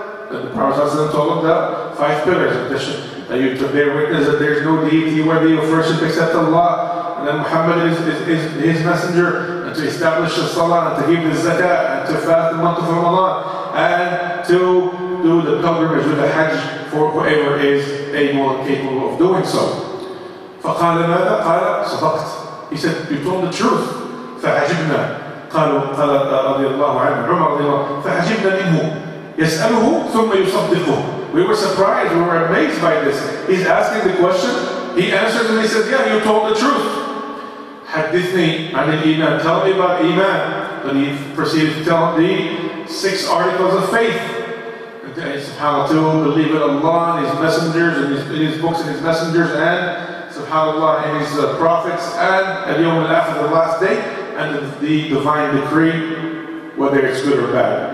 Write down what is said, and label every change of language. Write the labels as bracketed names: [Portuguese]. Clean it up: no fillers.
[English] And the Prophet told him that five pillars of Islam, that you to bear witness that there is no deity worthy of worship except Allah, and that Muhammad is his messenger, and to establish the salah, and to give the zakah, and to fast the month of Ramadan, and to do the pilgrimage with the hajj for whoever is able and capable of doing so. [Arabic] فقال ماذا؟ قال صدقت. [English] He said, you told the truth. [Arabic] فعجبنا. قال رضي الله عنه عمر رضي الله عنه فعجبنا منه يسأله ثم يصدقه. [English] We were surprised, we were amazed by this. He's asking the question, he answers and he says, yeah, you told the truth. [Arabic] حدثني عن الإيمان. [English] Tell me about إيمان. Then he proceeded to tell the six articles of faith. SubhanAllah, to believe in Allah and His messengers and His books and His messengers and SubhanAllah and His prophets and al-yawm al-akhir, the last day, and the divine decree, whether it's good or bad.